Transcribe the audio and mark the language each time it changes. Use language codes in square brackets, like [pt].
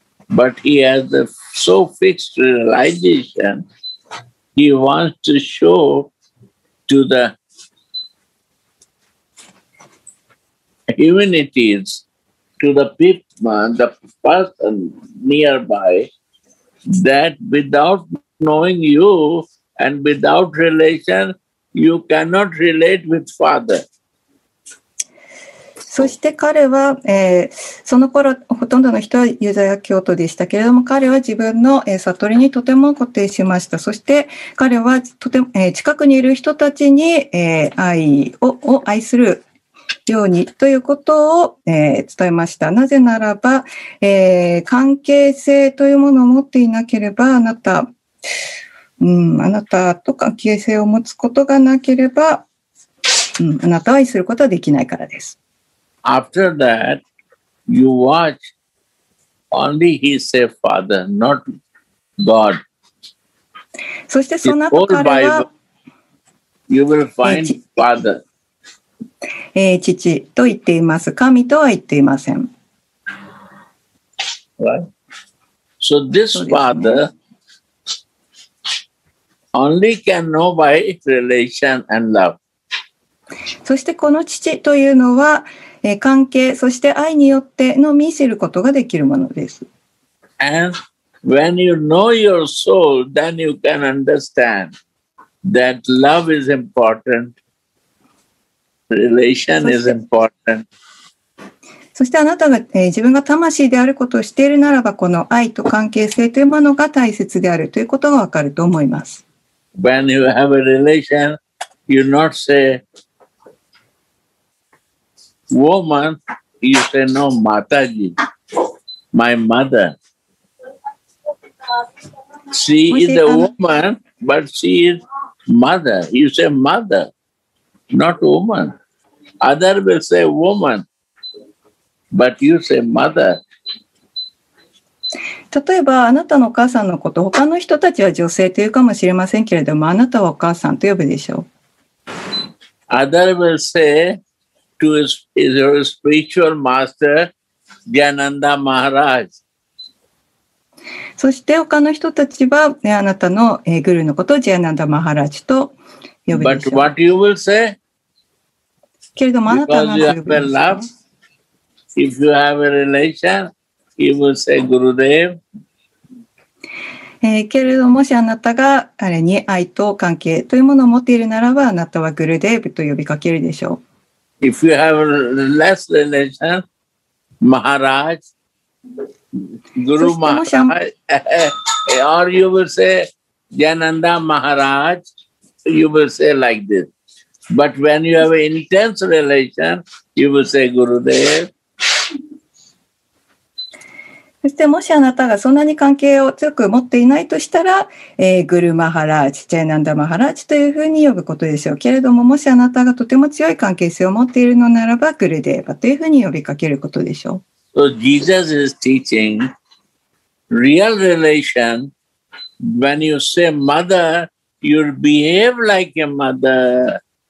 [en] But he has a so fixed realization, he wants to show to the humanities, to the people, the person nearby, that without knowing you and without relation, you cannot relate with father. [ja] そして彼は、その頃ほとんどの人はユダヤ教徒でしたけれども、彼は自分の、悟りにとても固定しました。そして彼はとても、近くにいる人たちに、愛を愛するようにということを、伝えました。なぜならば、関係性というものを持っていなければあなたと関係性を持つことがなければ、あなたを愛することはできないからです。 [en] After that, you watch only he say father, not God. [ja] そしてその後彼は、Bible, [en] you will find father. [ja] 父と言っています。神とは言っていません。 [en] Right? So this father only can know by relation and love. [ja] そしてこの父というのは、関係そして愛によってのみ知ることができるものです。 [en] And when you know your soul, then you can understand that love is important, relation is important. [ja] そしてあなたが、自分が魂であることを知っているならば、この愛と関係性というものが大切であるということがわかると思います。 [en] When you have a relation, you not sayWoman, you say no, Mataji, my mother. She is a woman, but she is mother. You say mother, not woman. Other will say woman, but you say mother. [ja] 例えばあなたのお母さんのこと、他の人たちは女性というかもしれませんけれども、あなたはお母さんと呼ぶでしょう。 [en] Other will say. To his spiritual master, Gyananda Maharaj. [ja] そして他の人たちは、ね、あなたの、グルーのことをジャナンダ・マハラジと呼ぶでしょう。 [en] But what you will say? [ja] けれどもあなたは何を呼ぶでしょう。 [en] If you have a relation, you will say Gurudev. [ja] けれどもしあなたがあれに愛と関係というものを持っているならば、あなたはグルデーブと呼びかけるでしょう。 [en] If you have less relation, Maharaj, Guru Maharaj, or you will say Jananda Maharaj, you will say like this. But when you have an intense relation, you will say Gurudev. [ja] そしてもしあなたがそんなに関係を強く持っていないとしたら、グルマハラーチ、チャイナンダマハラーチというふうに呼ぶことでしょう。けれどももしあなたがとても強い関係性を持っているのならば、グルデーバというふうに呼びかけることでしょう。 [en] So Jesus is teaching real relation. When you say mother, you behave like a mother.